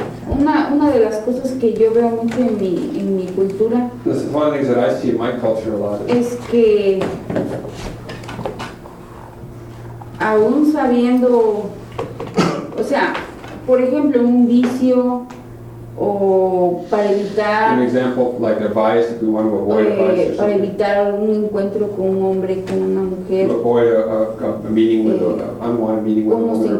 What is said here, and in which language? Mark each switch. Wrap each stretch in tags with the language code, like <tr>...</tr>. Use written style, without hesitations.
<es>Una de las cosas que yo veo mucho en mi cultura...</es> <en>This is one of the things that I see in my culture a lot.</en> <es>Es que... Aún sabiendo... O sea, por ejemplo, un vicio... O para evitar...</es> <en>An example, like a bias, if we want to avoid a bias or something.</en> <es>Para evitar un encuentro con un hombre, con una mujer.</es> <en>Avoid a meeting with, an unwanted meeting with a woman.</en>